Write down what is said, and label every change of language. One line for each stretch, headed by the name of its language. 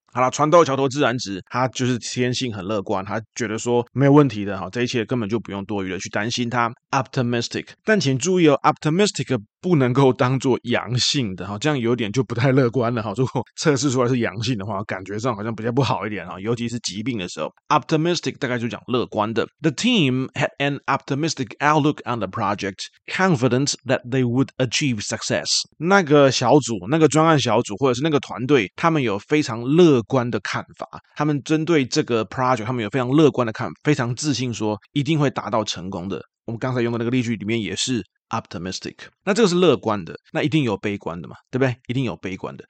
Chinese: 好啦，船到桥头自然直，他就是天性很乐观，他觉得说没有问题的，这一切根本就不用多余的去担心他 optimistic。但请注意哦， optimistic 不能够当作阳性的，这样有点就不太乐观了，如果测试出来是阳性的话，感觉上好像比较不好一点，尤其是疾病的时候。 optimistic 大概就讲乐观的。
English: The team had an optimistic outlook on the project, confident that they would achieve success.
Chinese: 那个小组，那个专案小组或者是那个团队，他们有非常乐观的看法，他们针对这个 project， 他们有非常乐观的看法，非常自信说一定会达到成功的。我们刚才用的那个例句里面也是 optimistic， 那这个是乐观的，那一定有悲观的嘛，对不对？一定有悲观的。